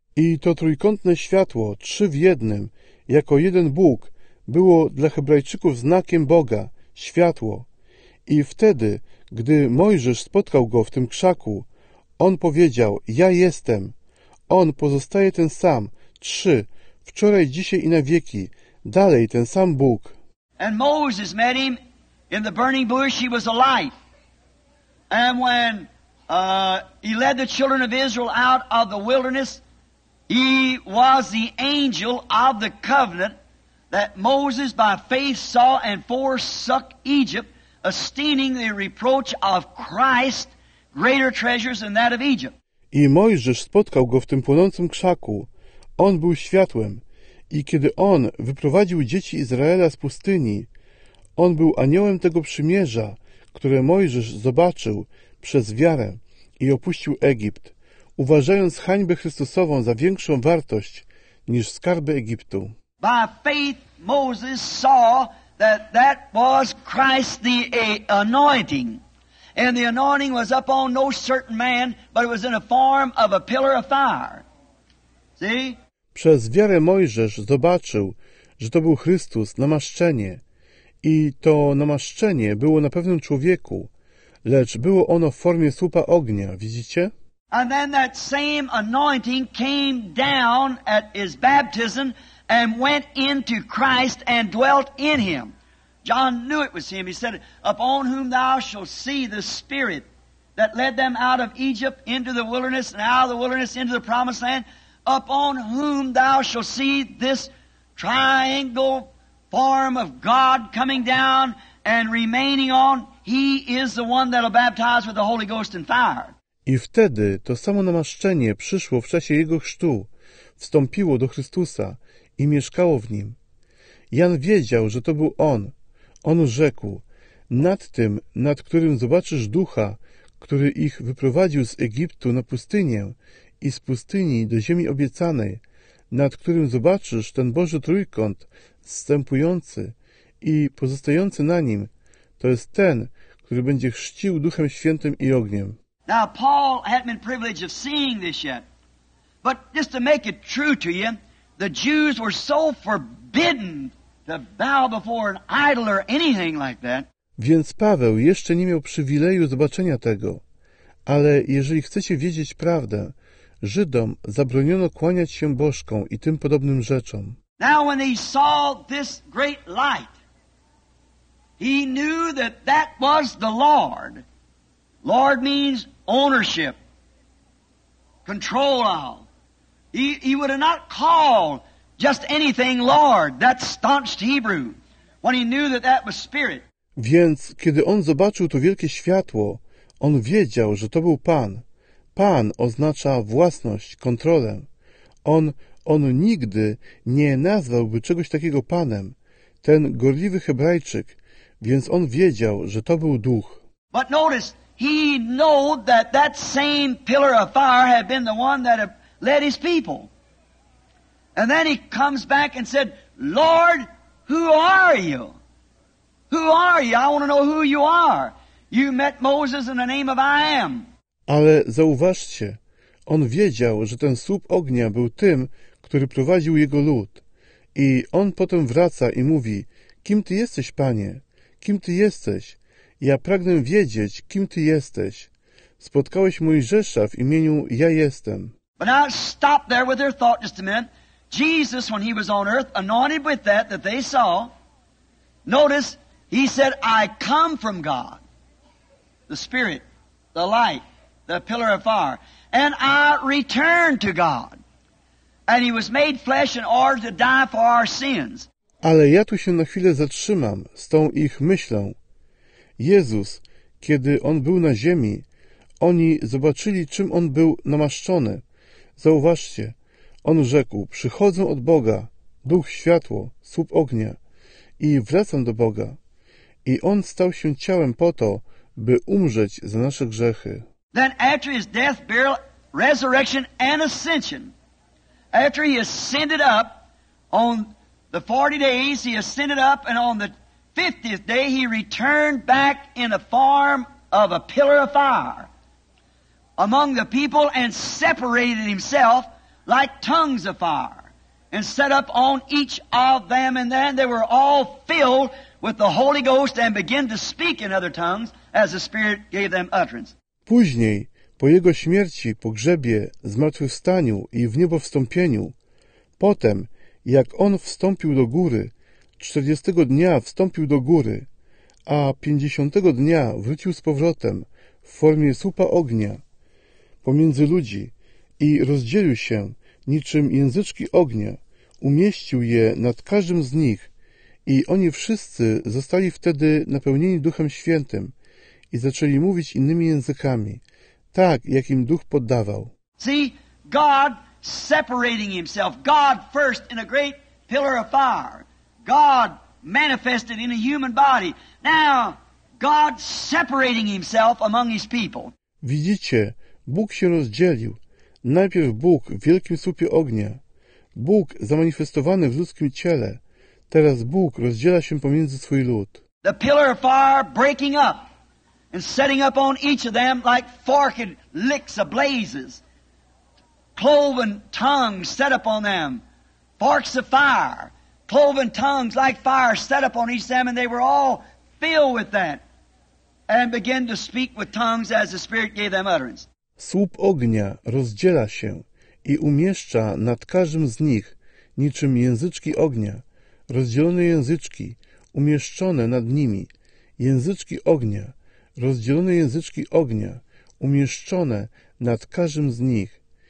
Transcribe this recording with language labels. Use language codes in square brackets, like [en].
[pl] I to trójkątne światło, trzy w jednym, jako jeden Bóg, było dla Hebrajczyków znakiem Boga, światło. I wtedy, gdy Mojżesz spotkał go w tym krzaku, on powiedział, ja jestem. On pozostaje ten sam, trzy, wczoraj, dzisiaj i na wieki, dalej ten sam Bóg. [en] And Moses met him in the burning bush, he was alive. And when he led the children of Israel out of the wilderness, he was the angel of the covenant that Moses by faith saw and forsook Egypt, esteeming the reproach of Christ greater treasures than that of Egypt. [pl] I Mojżesz spotkał go w tym płonącym krzaku. On był światłem. I kiedy on wyprowadził dzieci Izraela z pustyni, on był aniołem tego przymierza, które Mojżesz zobaczył przez wiarę i opuścił Egipt, uważając hańbę Chrystusową za większą wartość niż skarby Egiptu. [en] By faith Moses saw that was Christ the anointing. And the anointing was upon no certain man, but it was in a form of a pillar of fire. See? [pl] Przez wiarę Mojżesz zobaczył, że to był Chrystus, namaszczenie. I to namaszczenie było na pewnym człowieku, lecz było ono w formie słupa ognia, widzicie? [en] And then that same anointing came down at his baptism and went into Christ and dwelt in him. John knew it was him. He said, upon whom thou shalt see the Spirit that led them out of Egypt into the wilderness and out of the wilderness into the promised land, upon whom thou shalt see this triangle form of God coming down and remaining on, he is the one that will baptize with the Holy Ghost and fire. [pl] I wtedy to samo namaszczenie przyszło w czasie jego chrztu, wstąpiło do Chrystusa i mieszkało w nim. Jan wiedział, że to był on. On rzekł, nad tym, nad którym zobaczysz ducha, który ich wyprowadził z Egiptu na pustynię i z pustyni do ziemi obiecanej, nad którym zobaczysz ten Boży trójkąt zstępujący i pozostający na nim, to jest ten, który będzie chrzcił Duchem Świętym i ogniem. [en] Now, Paul hadn't been privileged of seeing this yet, but just to make it true to you, the Jews were so forbidden to bow before an idol or anything like that. [pl] Więc Paweł jeszcze nie miał przywileju zobaczenia tego, ale jeżeli chcecie wiedzieć prawdę, Żydom zabroniono kłaniać się bożkom i tym podobnym rzeczom. [en] Now, when he saw this great light, he knew that that was the Lord. Lord means ownership, control of. He would have not called just anything Lord, that staunched Hebrew, when he knew that that was Spirit. [pl] Więc kiedy on zobaczył to wielkie światło, on wiedział, że to był Pan. Pan oznacza własność, kontrolę. On nigdy nie nazwałby czegoś takiego Panem, ten gorliwy Hebrajczyk, więc on wiedział, że to był Duch. [en] But notice, he knew that that same pillar of fire had been the one that had led his people. And then he comes back and said, Lord, who are you? Who are you? I want to know who you are. You met Moses in the name of I am. [pl] Ale zauważcie, on wiedział, że ten słup ognia był tym, który prowadził jego lud. I on potem wraca i mówi, kim ty jesteś, Panie? Kim ty jesteś? Ja pragnę wiedzieć, kim ty jesteś. Spotkałeś Mojżesza w imieniu Ja Jestem. [en] But now stop there with their thought just a minute. Jesus, when he was on earth, anointed with that they saw. Notice, he said, I come from God. The Spirit, the light, the pillar of fire. And I return to God. And he was made flesh in order to die for our sins. [pl] Ale ja tu się na chwilę zatrzymam z tą ich myślą. Jezus, kiedy On był na ziemi, oni zobaczyli, czym On był namaszczony. Zauważcie, On rzekł, przychodzę od Boga, Duch Światło, słup ognia, i wracam do Boga. I On stał się ciałem po to, by umrzeć za nasze grzechy. [en] Then after His death, burial, resurrection and ascension, after He ascended up on the 40 days, He ascended up and on the 50th day he returned back in the form of a pillar of fire among the people and separated himself like tongues of fire and set up on each of them, and then they were all filled with the Holy Ghost and began to speak in other tongues as the Spirit gave them utterance. [pl] Później, po jego śmierci, pogrzebie, zmartwychwstaniu i w niebo wstąpieniu, potem, jak on wstąpił do góry, 40 dnia wstąpił do góry, a 50 dnia wrócił z powrotem w formie słupa ognia pomiędzy ludzi i rozdzielił się niczym języczki ognia, umieścił je nad każdym z nich i oni wszyscy zostali wtedy napełnieni Duchem Świętym i zaczęli mówić innymi językami, tak jak im Duch poddawał. [en] See, God separating himself, God first in a great pillar of fire. God manifested in a human body. Now, God separating himself among his people. [pl] Widzicie, Bóg się rozdzielił. Najpierw Bóg w wielkim słupie ognia. Bóg zamanifestowany w ludzkim ciele. Teraz Bóg rozdziela się pomiędzy swój lud. [en] The pillar of fire breaking up and setting up on each of them like forked licks of blazes. Cloven tongues set up on them. Forks of fire. Cloven tongues like fire set up on each of them, and they were all filled with that and began to speak with tongues as the Spirit gave them utterance. [pl] Słup ognia rozdziela się i umieszcza nad każdym z nich niczym języczki ognia, rozdzielone języczki umieszczone nad nimi, języczki ognia, rozdzielone języczki ognia umieszczone nad każdym z nich.